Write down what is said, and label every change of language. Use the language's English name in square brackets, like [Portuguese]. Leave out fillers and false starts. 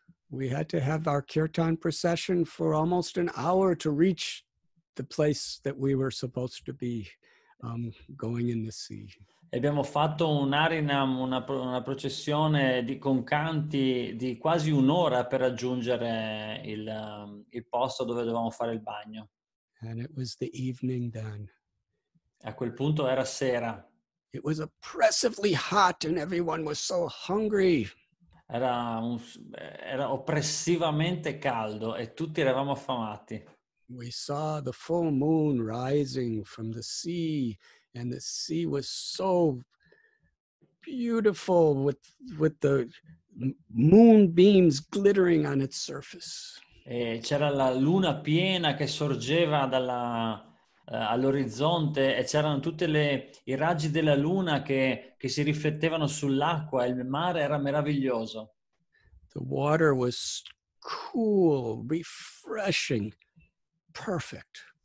[English] We had to have our kirtan procession for almost an hour to reach the place that we were supposed to be going in the sea. [Italian] E abbiamo fatto un arinam, una processione di con canti di quasi un'ora per raggiungere il posto dove dovevamo fare il bagno. [English] And it was the evening then. [Italian] A quel punto era sera. [English] It was oppressively hot and everyone was so hungry. [Italian] Era oppressivamente caldo e tutti eravamo affamati. [English] We saw the full moon rising from the sea, and the sea was so beautiful with the moon beams glittering on its surface. [Italian] E c'era la luna piena che sorgeva all'orizzonte, e c'erano tutte i raggi della luna che si riflettevano sull'acqua, e il mare era meraviglioso. [English] The water was cool, refreshing, perfect.